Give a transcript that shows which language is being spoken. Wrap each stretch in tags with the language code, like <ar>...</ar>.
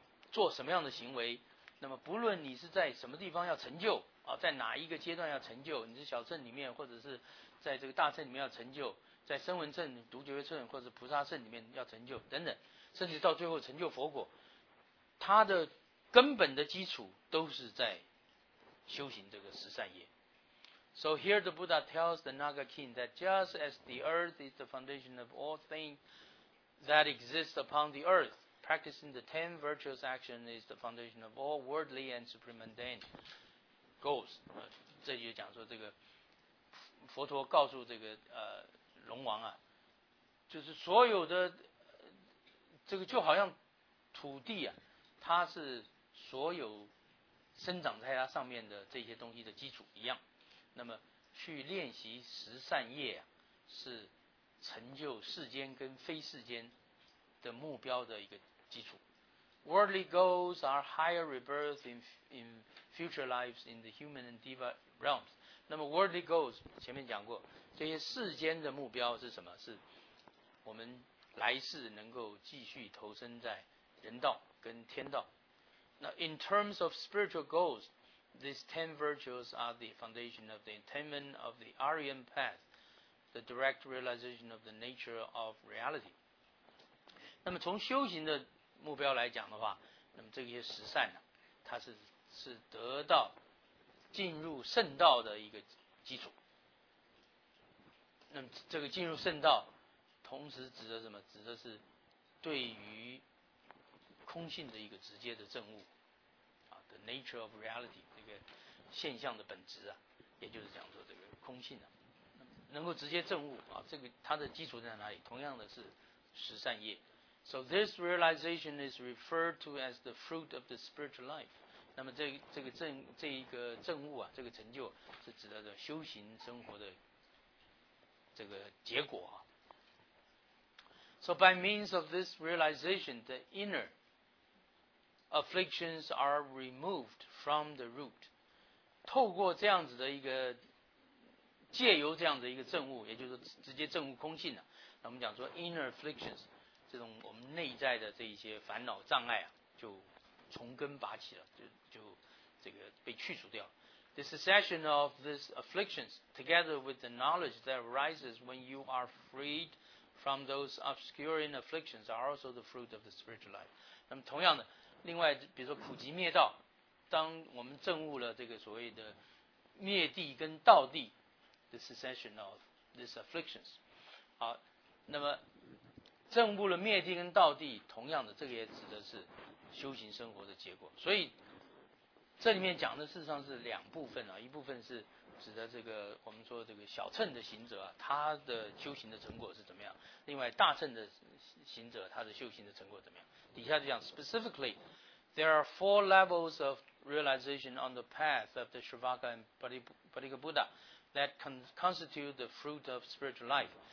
<zh>做什么样的行为，那么不论你是在什么地方要成就啊，在哪一个阶段要成就，你是小乘里面，或者是在这个大乘里面要成就，在声闻乘、独觉乘或者菩萨乘里面要成就等等，甚至到最后成就佛果，它的根本的基础都是在修行这个十善业。</zh> <en>So here the Buddha tells the Naga King that just as the earth is the foundation of all things that exist upon the earth. Practicing the ten virtuous actions is the foundation of all worldly and supramundane goals。</en> <zh>这就讲说这个佛陀告诉这个龙王啊，就是所有的这个就好像土地啊，它是所有生长在它上面的这些东西的基础一样，那么去练习十善业啊，是成就世间跟非世间的目标的一个基础。</zh> <en>Worldly goals are higher rebirths in future lives in the human and diva realms.</en> <zh>那么</zh> <en>worldly goals</en> <zh>前面讲过，这些世间的目标是什么？是我们来世能够继续投身在人道跟天道。</zh> <en>Now, in terms of spiritual goals, these ten virtues are the foundation of the attainment of the Aryan path, the direct realization of the nature of reality.</en> <zh>那么从修行的目标来讲的话，那么这些十善呢，它是得到进入圣道的一个基础。那么这个进入圣道，同时指的什么？指的是对于空性的一个直接的证悟啊 ，</zh> <en>the nature of reality</en> <zh>这个现象的本质啊，也就是讲说这个空性的、啊、能够直接证悟啊，这个它的基础在哪里？同样的是十善业。</zh> <en>So this realization is referred to as the fruit of the spiritual life.</en> <zh>那么这一个证悟啊，这个成就是指的修行生活的这个结果啊。</zh> <en>So by means of this realization, the inner afflictions are removed from the root.</en> <zh>透过这样子的一个借由这样的一个证悟，也就是直接证悟空性啊，那我们讲说</zh> <en>inner afflictions。</en> <zh>这种我们内在的这一些烦恼障碍啊，就从根拔起了，就这个被去除掉。</zh> <en>The cessation of these afflictions, together with the knowledge that arises when you are freed from those obscuring afflictions, are also the fruit of the spiritual life.</en> <zh>那么同样的，另外比如说苦集灭道，当我们证悟了这个所谓的灭地跟道地 ，</zh> <en>the cessation of these afflictions.</en> <zh>好，那么。证悟了灭地跟道地，同样的，这个也指的是修行生活的结果。所以这里面讲的事实上是两部分啊，一部分是指的这个我们说这个小乘的行者啊，他的修行的成果是怎么样；另外大乘的行者，他的修行的成果怎么样。底下就讲</zh> <en>specifically, there are four levels of realization on the path of the Shravaka and Patika Buddha that constitute the fruit of spiritual life.</en>